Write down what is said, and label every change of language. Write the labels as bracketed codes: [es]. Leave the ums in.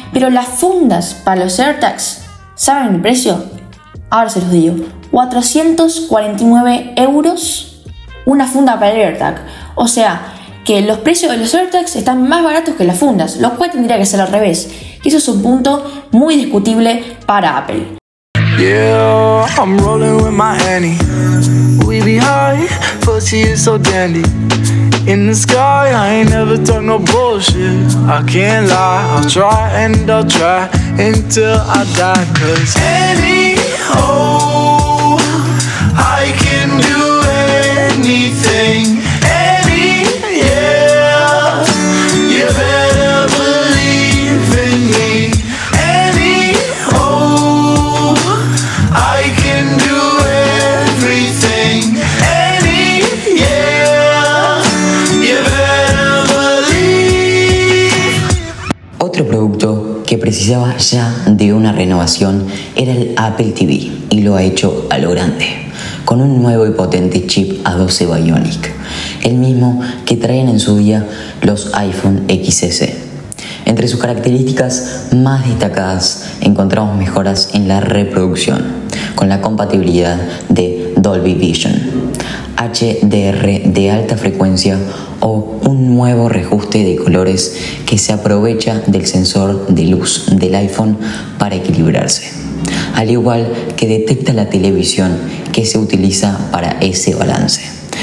[es] Pero las fundas para los AirTags, ¿saben el precio? Ahora se los digo. 449 euros una funda para el AirTag. O sea, que los precios de los AirTags están más baratos que las fundas, lo cual tendría que ser al revés. Y eso es un punto muy discutible para Apple. [en] Yeah, I'm rolling with my Annie. We be high, but she is so dandy. In the sky, I ain't never talk no bullshit. I can't lie, I'll try and I'll try until I die. Cause any oh, I can do anything. Any, yeah, you better believe in me. Any oh, I can do everything. Any, yeah, you better believe. [es] Otro producto que precisaba ya de una renovación era el Apple TV y lo ha hecho a lo grande, con un nuevo y potente chip A12 Bionic, el mismo que traen en su día los iPhone XS. Entre sus características más destacadas encontramos mejoras en la reproducción, con la compatibilidad de Dolby Vision, HDR de alta frecuencia o un nuevo reajuste de colores que se aprovecha del sensor de luz del iPhone para equilibrarse, al igual que detecta la televisión que se utiliza para ese balance.